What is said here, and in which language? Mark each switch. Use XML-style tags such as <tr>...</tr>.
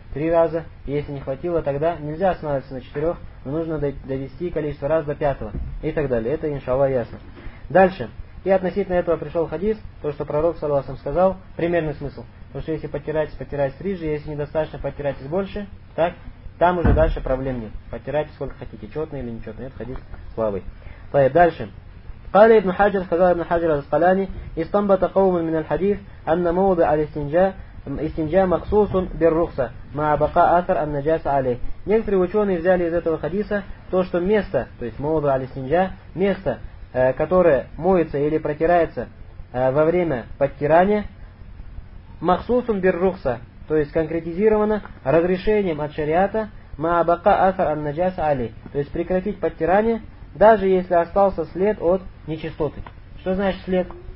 <ru>Три раза, если не хватило, тогда нельзя останавливаться на четырех, но нужно довести количество раз до пятого и так далее. Это, иншаллах, ясно. Дальше. И относительно этого пришел хадис, то, что пророк, саллаллаху алейхи ва саллям, сказал, примерный смысл. Потому что если подтираетесь, подтираетесь три же, если недостаточно, подтираетесь больше, так, там уже дальше проблем нет. Подтирайте сколько хотите, четный или нечетный. Этот хадис слабый. Стоит дальше.</ru> <ar>قال ابن حجر فقال ابن حجر الاسقلاني استنبط قوم من الحديث أن موضع الاستنجاء مخصوص بالرخصة مع بقاء أثر النجاسة عليه.</ar> <ru>Некоторые ученые взяли из этого хадиса то, что место, то есть</ru> <ar>موضع الاستنجاء,</ar> <ru>место, которое моется или протирается во время подтирания,</ru> <ar>مخصوص بالرخصة,</ar> <ru>то есть конкретизировано разрешением от шариата</ru> <ar>مع بقاء أثر النجاسة عليه,</ar> <ru>то есть прекратить подтирание, даже если остался след от нечистоты. Что значит след?</ru>